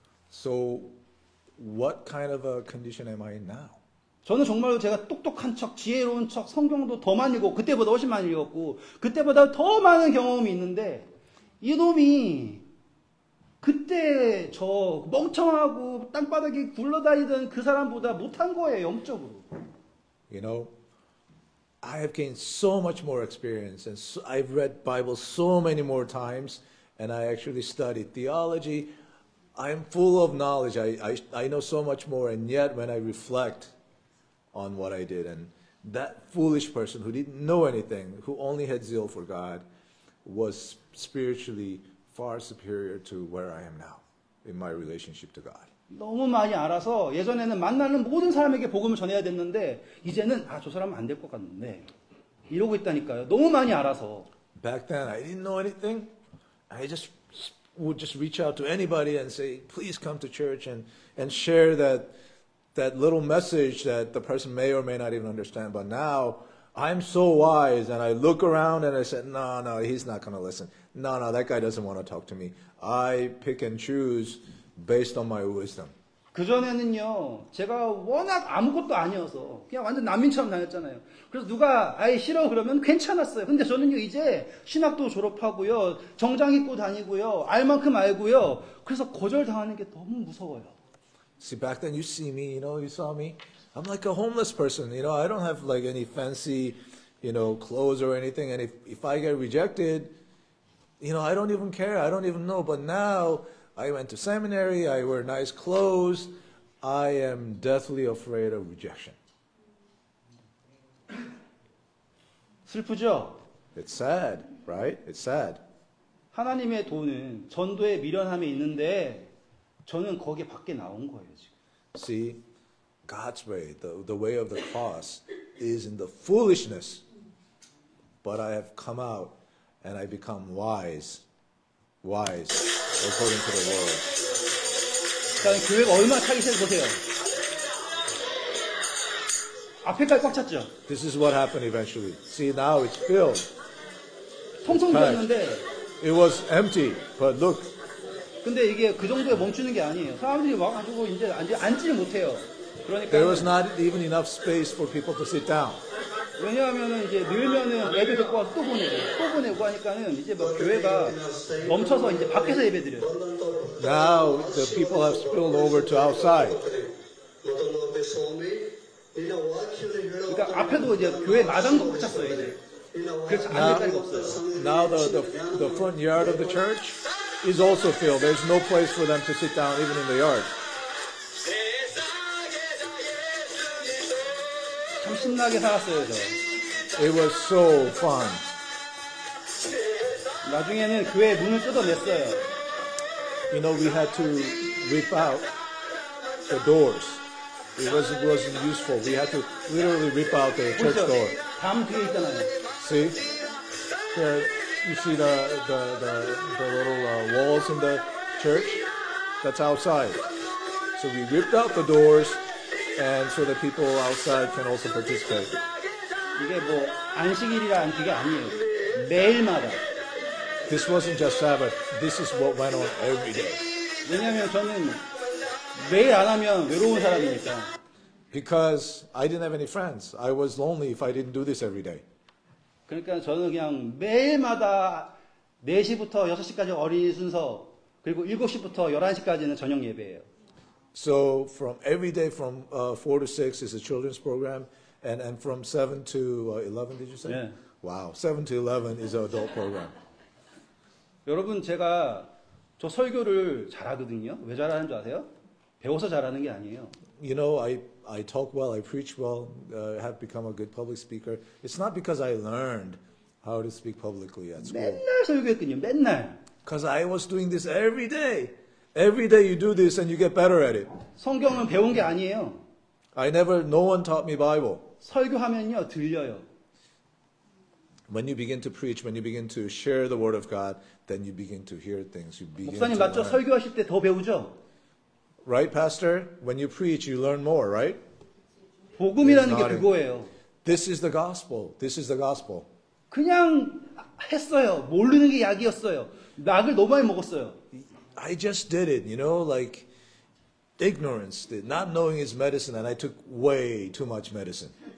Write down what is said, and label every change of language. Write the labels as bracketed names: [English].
[English] So what kind of a condition am I in now? [Korean] 저는 정말로 제가 똑똑한 척, 지혜로운 척, 성경도 더 많이 읽고 그때보다 훨씬 많이 읽었고 그때보다 더 많은 경험이 있는데 이놈이 그때 저 멍청하고 땅바닥에 굴러다니던 그 사람보다 못한 거예요, 영적으로. [English] You know, I have gained so much more experience and so, I've read Bible so many more times and I actually studied theology. I'm full of knowledge. I know so much more and yet when I reflect on what I did and that foolish person who didn't know anything, who only had zeal for God, was spiritually far superior to where I am now in my relationship to God. [Korean] 너무 많이 알아서 예전에는 만나는 모든 사람에게 복음을 전해야 됐는데 이제는 아, 저 사람은 안 될 것 같은데 이러고 있다니까요. 너무 많이 알아서. [English] Back then I didn't know anything. I just would just reach out to anybody and say, please come to church and share that little message that the person may or may not even understand. But now I'm so wise and I look around and I said, no, no, he's not going to listen. No, no, that guy doesn't want to talk to me. I pick and choose based on my wisdom. [Korean] 그전에는요, 제가 워낙 아무것도 아니어서 그냥 완전 난민처럼 다녔잖아요. 그래서 누가 아예 싫어 그러면 괜찮았어요. 근데 저는요, 이제 신학도 졸업하고요, 정장 입고 다니고요, 알 만큼 알고요. 그래서 거절당하는 게 너무 무서워요. [English] See, back then you see me, you know, you saw me. I'm like a homeless person, you know, I don't have like any fancy, you know, clothes or anything. And if I get rejected, you know, I don't even care. I don't even know. But now I went to seminary, I wear nice clothes. I am deathly afraid of rejection. [Korean] 슬프죠? [English] It's sad, right? It's sad. [Korean] 하나님의 도는 전도의 미련함에 있는데 저는 거기 밖에 나온 거예요, 지금. [English] See? God's way, the way of the cross, is in the foolishness. But I have come out and I become wise. Wise, according to the word. [Korean] 일단 교회가 얼마나 차기 싫어 보세요. 앞에까지 꽉 찼죠. [English] This is what happened eventually. See, now it's filled. [Korean] 통통 비었는데. [English] It was empty, but look. [Korean] 근데 이게 그 정도에 멈추는 게 아니에요. 사람들이 와가지고 이제 앉지를 못해요. [English] There was not even enough space for people to sit down. [Korean] 왜냐하면은 이제 늘면은 예배 듣고 와서 또 보내고 하니까는 이제 막 교회가 멈춰서 이제 밖에서 예배드려요. [English] Now the people have spilled over to outside. [Korean] 그러니까 앞에도 이제 교회 마당도 꽉 찼어요 이제. 그래서 앉을 자리가 없어요. [English] Now the front yard of the church is also filled. There's no place for them to sit down even in the yard. [Korean] 신나게 살았어요, 저. [English] It was so fun. [Korean] 나중에는 교회 문을 뜯어냈어요. [English] You know, we had to rip out the doors. It wasn't useful. We had to literally rip out the church [Korean] 보이죠? [English] door. [Korean] 담 뒤에 있잖아요. [English] See? There, you see the little walls in the church? That's outside. So we ripped out the doors. And so the people outside can also participate. [Korean] 이게 뭐 안식일이란 게 아니에요. 매일마다. [English] This wasn't just Sabbath. This is what went on every day. [Korean] 왜냐하면 저는 매일 안 하면 외로운 사람이니까. [English] Because I didn't have any friends. I was lonely if I didn't do this every day. [Korean] 그러니까 저는 그냥 매일마다 4시부터 6시까지 어린이 순서 그리고 7시부터 11시까지는 저녁 예배예요. [English] So from every day from 4 to 6 is a children's program and from 7 to 11 did you say? Yeah. Wow. 7 to 11 is an adult program. [Korean] 여러분 제가 저 설교를 잘하거든요. 왜 잘하는 줄 아세요? 배워서 잘하는 게 아니에요. [English] You know I talk well, I preach well, have become a good public speaker. It's not because I learned how to speak publicly at school. [Korean] 맨날 설교했거든요. 맨날. [English] Cuz I was doing this every day. Every day you do this and you get better at it. [Korean] 성경은 배운 게 아니에요. [English] No one taught me Bible. [Korean] 설교하면요, 들려요. [English] When you begin to preach, when you begin to share the word of God, then you begin to hear things. You begin [Korean] 목사님 [English] to [Korean] 맞죠? [English] Learn. [Korean] 설교하실 때 더 배우죠? [English] Right, Pastor? When you preach, you learn more, right? [Korean] 복음이라는 게 그거예요. [English] This is the gospel. This is the gospel. [Korean] 그냥 했어요. 모르는 게 약이었어요. 약을 너무 많이 먹었어요. [English] I just did it, you know, like ignorance, not knowing is medicine, and I took way too much medicine.